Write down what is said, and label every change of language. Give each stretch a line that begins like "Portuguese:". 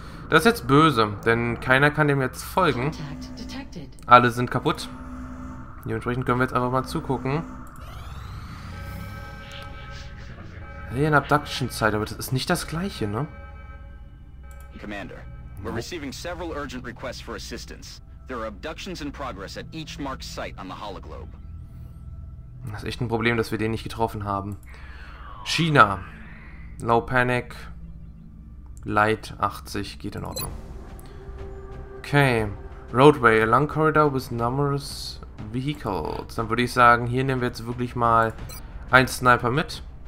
German: Das ist jetzt böse, denn keiner kann dem jetzt folgen. Alle sind kaputt. Dementsprechend können wir jetzt einfach mal zugucken. Alien Abduction Zeit, aber das ist nicht das gleiche, ne?
English: Commander. We're receiving several urgent requests for assistance. There are abductions in progress at each marked site on the hologlobe.
German: Das ist echt ein Problem, dass wir den nicht getroffen haben. China. Low Panic. Light 80 geht in Ordnung. Okay. Roadway.
English: A long corridor with numerous vehicles.
German: Dann würde ich sagen, hier nehmen wir jetzt wirklich mal einen Sniper mit.